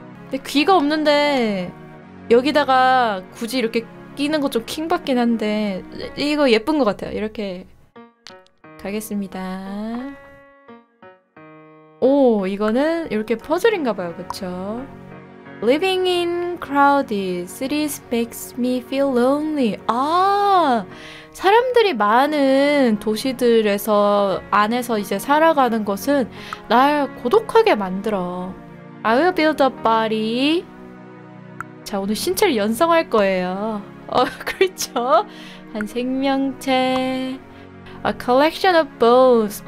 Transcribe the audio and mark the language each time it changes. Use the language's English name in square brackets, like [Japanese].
[Korean] 근데 귀가 없는데 여기다가 굳이 이렇게 끼는 거 좀 킹받긴 한데 이거 예쁜 것 같아요. 이렇게 가겠습니다. 오 이거는 이렇게 퍼즐인가 봐요. 그쵸? [English] Living in crowded cities makes me feel lonely. [Korean] 아, 사람들이 많은 도시들에서 안에서 이제 살아가는 것은 날 고독하게 만들어. [English] I will build a body. [Korean] 자, 오늘 신체를 연성할 거예요. 그렇죠? 한 생명체. [English] A collection of bones.